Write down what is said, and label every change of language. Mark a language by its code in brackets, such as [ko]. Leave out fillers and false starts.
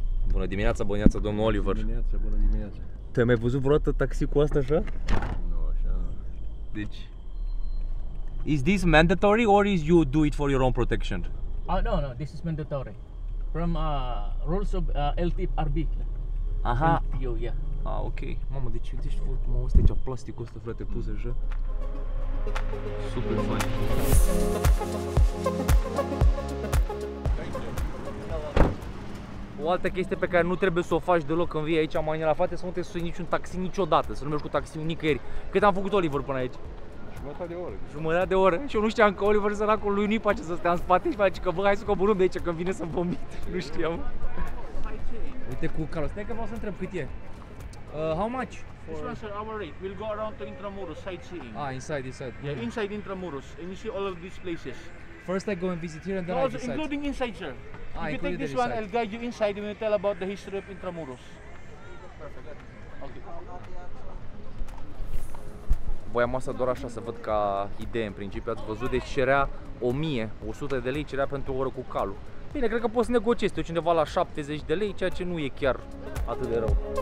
[ro] Bună dimineața, bună dimineața, domnul Oliver. Bună dimineața. Te-ai mai văzut vreodată taxi cu asta așa? Nu, așa. Deci [en] is this mandatory or is you do it for your own protection? No, this is mandatory. From rules of LTRB. Aha. Eu, yeah. Ah, ok. [ro] Mamă, deci uite și voi, mamă, ăsta e plasticul ăsta, frate, pus așa. Super fain. O altă chestie pe care nu trebuie să o faci deloc când vii aici în Manila, frate, să nu te sui niciun taxi niciodată, să nu mergi cu taxiul nicăieri. Cât am făcut Oliver până aici? Jumătate de oră. Și eu nu știam că Oliver săracul lui nu-i pace să stea în spate și face că bă, hai să coborâm de aici când vine să-mi vomit. Nu știam. Uite cu Carlos, stai că vreau să întreb cât e. [en] How much? This one, sir, our rate. We'll go around to Intramuros, sightseeing. Ah, inside. Yeah. Inside Intramuros, and you see all of these places. First I go and visit here and then no, I decide. Including inside, sir. Ah, if you take this one, I'll guide you inside and we'll tell about the history of Intramuros. [ro] Voiam asta doar așa să văd ca idee în principiu. Ați văzut, deci cerea 100 de lei cerea pentru o oră cu calul. Bine, cred că poți să negociezi undeva la 70 de lei, ceea ce nu e chiar atât de rău.